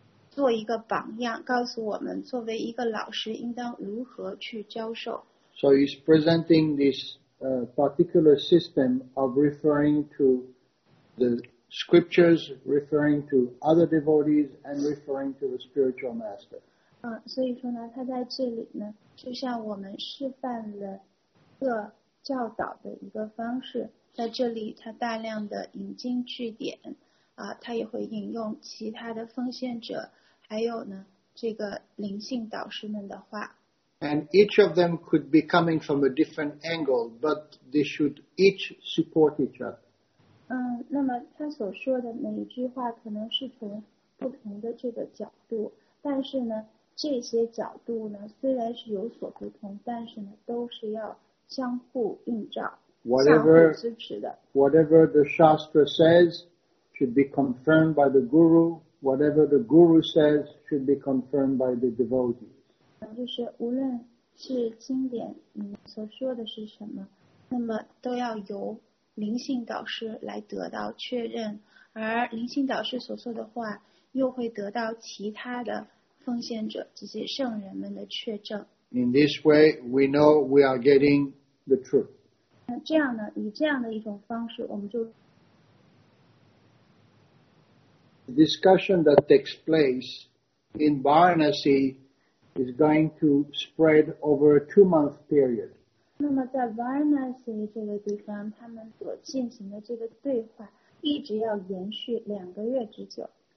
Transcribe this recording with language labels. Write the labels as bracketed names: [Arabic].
[Chinese] 做一个榜样，告诉我们作为一个老师应当如何去教授。 [English] So he's presenting this particular system of referring to the scriptures, referring to other devotees, and referring to the spiritual master. [Chinese] 所以说呢，他在这里呢，就像我们示范了一个教导的一个方式，在这里他大量的引经据典，他也会引用其他的奉献者。还有呢，这个灵性导师们的话。 [English] And each of them could be coming from a different angle, but they should each support each other. [Chinese] 那么他所说的每一句话可能是从不同的这个角度，但是呢，这些角度呢虽然是有所不同，但是呢都是要相互映照、 [English] whatever, [Chinese] 相互支持的。 [English] Whatever the Shastra says should be confirmed by the Guru. Whatever the guru says should be confirmed by the devotees. [Chinese] 就是无论是经典所说的是什么，那么都要由灵性导师来得到确认，而灵性导师所说的话又会得到其他的奉献者这些圣人们的确证。 [English] In this way, we know we are getting the truth. [Chinese] 这样呢，以这样的一种方式，我们就。 [English] The discussion that takes place in Varanasi is going to spread over a two-month period. [Chinese] 那么在 Varanasi 这个地方，他们所进行的这个对话一直要延续两个月之久。